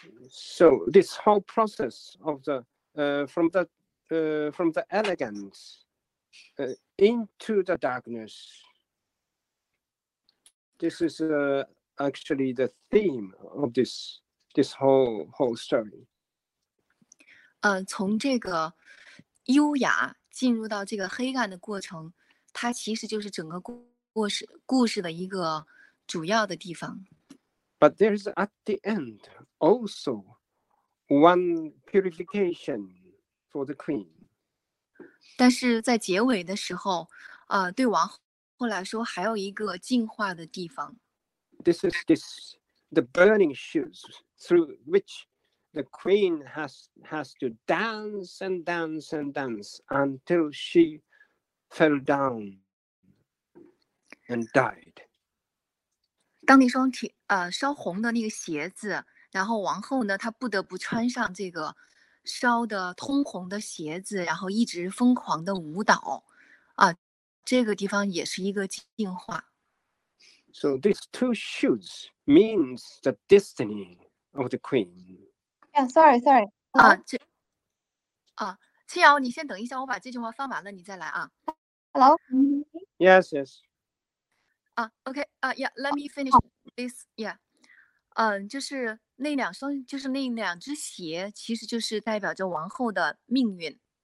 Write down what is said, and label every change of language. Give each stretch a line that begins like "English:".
English: So this whole process of the from the elegance into the darkness. This is actually the theme of this whole story.
Chinese: 从这个优雅进入到这个黑暗的过程，它其实就是整个故事的一个主要的地方。
English: But there is at the end also one purification for the queen.
Chinese: 但是在结尾的时候，对王后来说还有一个净化的地方。
English: This is the burning shoes through which the queen has to dance and dance and dance until she fell down and died.
Chinese: 当那双烧红的那个鞋子，然后王后呢，她不得不穿上这个烧的通红的鞋子，然后一直疯狂的舞蹈，这个地方也是一个进化。
English: So these two shoes means the destiny of the queen. Yeah, sorry.
Chinese: 青瑶，你先等一下，我把这句话放完了，你再来啊。
English: Hello. Yes. Okay, yeah, let me finish this, yeah.
Chinese: 就是那两双，就是那两只鞋，其实就是代表着王后的命运。